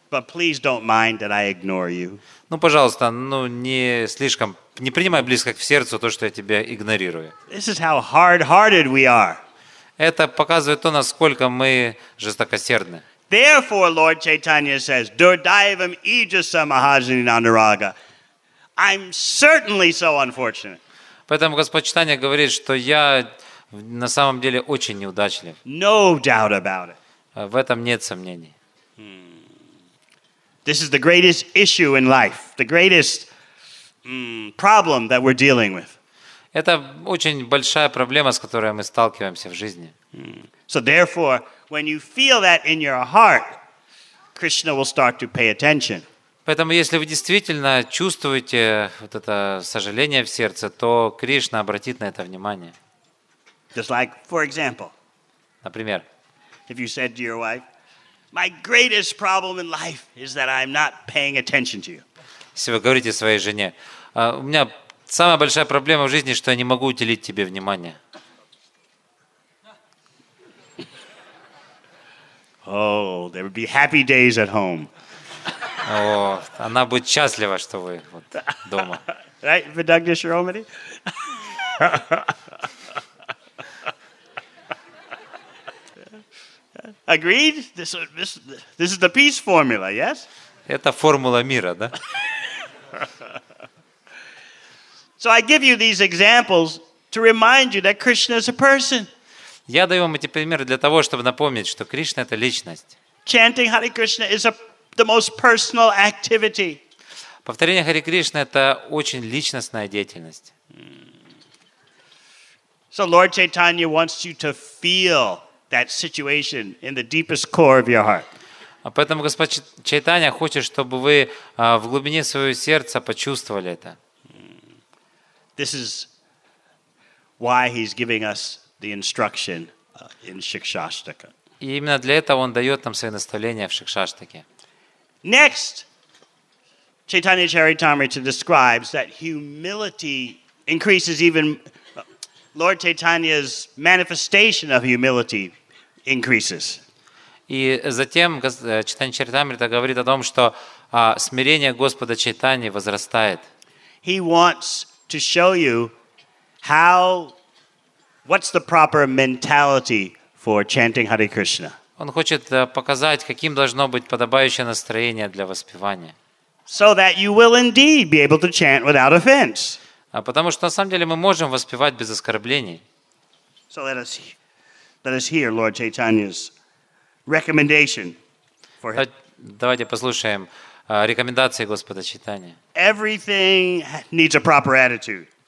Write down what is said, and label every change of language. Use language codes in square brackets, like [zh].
[en] But please don't mind that I ignore you. [ru] Ну, пожалуйста, ну не слишком. Не принимай близко к сердцу то, что я тебя игнорирую. [en] This is how hard-hearted we are. [ru] Это показывает то, насколько мы жестокосердны. [en] Therefore, Lord Chaitanya says, [sa] Durdaivam Ijasa Mahajani Nanuraga. [en] I'm certainly so unfortunate. [ru] Поэтому Господь Чайтанья говорит, что я на самом деле очень неудачлив. [en] No doubt about it. [ru] В этом нет сомнений. [en] This is the greatest issue in life. The greatest problem that we're dealing with. [ru] Это очень большая проблема, с которой мы сталкиваемся в жизни. [en] So therefore, when you feel that in your heart, Krishna will start to pay attention. [ru] Поэтому, если вы действительно чувствуете вот это сожаление в сердце, то Кришна обратит на это внимание. [en] Just like, for example. [ru] Например. [en] If you said to your wife, "My greatest problem in life is that I'm not paying attention to you." [ru] Если вы говорите своей жене, у меня самая большая проблема в жизни, что я не могу уделить тебе внимание. [en] Oh, there would be happy days at home. [ru] Вот. Она будет счастлива, что вы вот дома. [en] Right, Vidagna Shiromani? Agreed? This is the peace formula, yes? [ru] Это формула мира, да? [en] So I give you these examples to remind you that Krishna is a person. [ru] Я даю вам эти примеры для того, чтобы напомнить, что Кришна — это личность. [en] Chanting Hare Krishna is the most personal activity. [ru] Повторение Харе Кришна — это очень личностная деятельность. [en] So Lord Chaitanya wants you to feel that situation in the deepest core of your heart. [ru] Поэтому Господь Чайтанья хочет, чтобы вы в глубине своего сердца почувствовали это. [en] This is why he's giving us the instruction in Shikshashtaka. [ru] И именно для этого он дает нам свои наставления в Шикшаштаке. [en] Next, Chaitanya Charitamrita describes that humility increases even Lord Chaitanya's manifestation of humility increases. [ru] И затем Чайтанья Чаритамрита говорит о том, что смирение Господа Чайтаньи возрастает. [en] He wants to show you what's the proper mentality for chanting Hare Krishna. [ru] Он хочет показать, каким должно быть подобающее настроение для воспевания. [en] So that you will indeed be able to chant without offense. [ru] Потому что на самом деле мы можем воспевать без оскорблений. [en] So let us hear Lord Chaitanya's recommendation for him. [ru] Давайте послушаем рекомендации Господа Чайтаньи. [en] Everything needs a proper attitude.